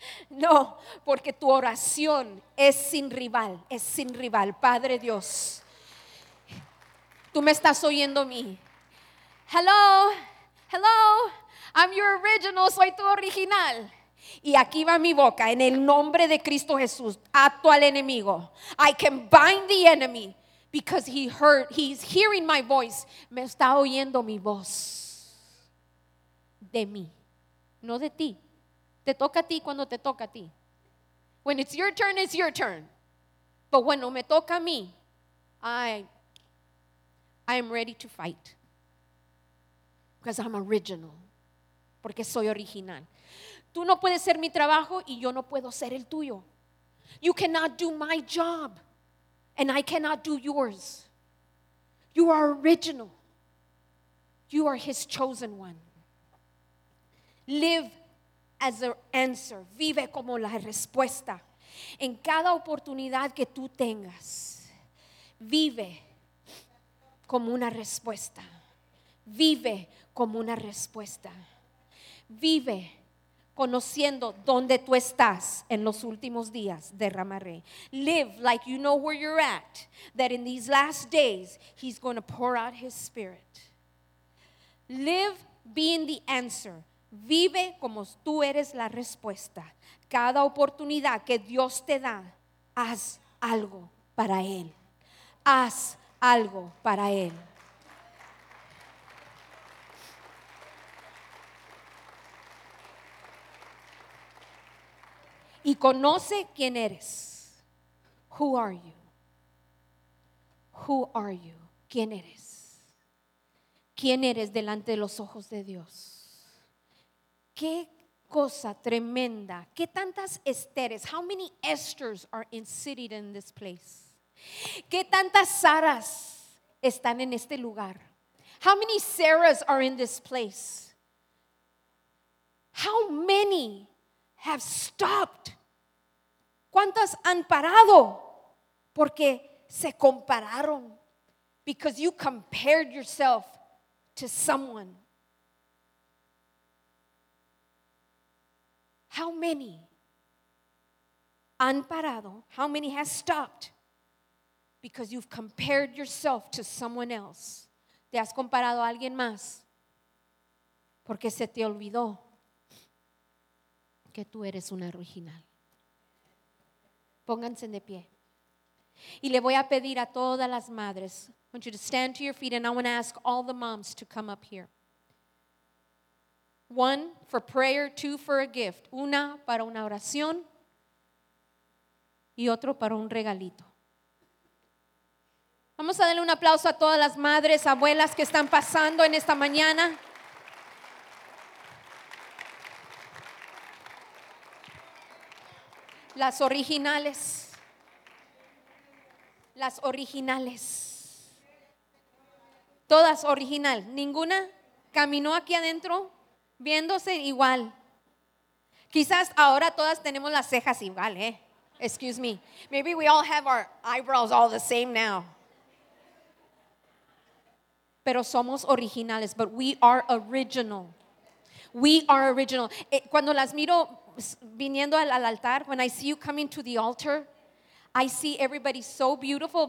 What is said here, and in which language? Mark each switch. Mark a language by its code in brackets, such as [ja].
[es] No, porque tu oración es sin rival. Es sin rival. Padre Dios, tú me estás oyendo a mí. [en] Hello. Hello. I'm your original. [es] Soy tu original. Y aquí va mi boca, en el nombre de Cristo Jesús, ato al enemigo. [en] I can bind the enemy because he's hearing my voice. [es] Me está oyendo mi voz de mí, no de ti. Te toca a ti cuando te toca a ti. [en] When it's your turn, it's your turn. But [es] cuando me toca a mí, [en] I am ready to fight. Because I'm original. [es] Porque soy original. Tú no puedes ser mi trabajo y yo no puedo ser el tuyo. [en] You cannot do my job and I cannot do yours. You are original. You are His chosen one. Live as the answer. [es] Vive como la respuesta. En cada oportunidad que tú tengas, vive como una respuesta. Vive como una respuesta. Vive conociendo dónde tú estás en los últimos días, derramaré. [en] Live like you know where you're at, that in these last days, He's going to pour out His Spirit. Live being the answer. [es] Vive como tú eres la respuesta. Cada oportunidad que Dios te da, haz algo para Él. Haz algo para Él. Y conoce quién eres. [en] Who are you? Who are you? [es] ¿Quién eres? ¿Quién eres delante de los ojos de Dios? ¿Qué cosa tremenda? ¿Qué tantas Esteres? [en] How many Esthers are seated in this place? [es] ¿Qué tantas Saras están en este lugar? [en] How many Sarahs are in this place? How many have stopped? [es] ¿Cuántas han parado? Porque se compararon. [en] Because you compared yourself to someone. How many [es] han parado? [en] How many has stopped? Because you've compared yourself to someone else. [es] ¿Te has comparado a alguien más? Porque se te olvidó que tú eres una original. Pónganse de pie. Y le voy a pedir a todas las madres. [en] I want you to stand to your feet and I want to ask all the moms to come up here. One for prayer, two for a gift. [es] Una para una oración y otro para un regalito. Vamos a darle un aplauso a todas las madres, abuelas que están pasando en esta mañana. Las originales. Las originales. Todas original. Ninguna caminó aquí adentro viéndose igual. Quizás ahora todas tenemos las cejas igual, ¿eh? [en] Excuse me. Maybe we all have our eyebrows all the same now. [es] Pero somos originales, [en] but we are original. We are original. [es] Cuando las miro viniendo al altar, [en] when I see you coming to the altar, I see everybody so beautiful.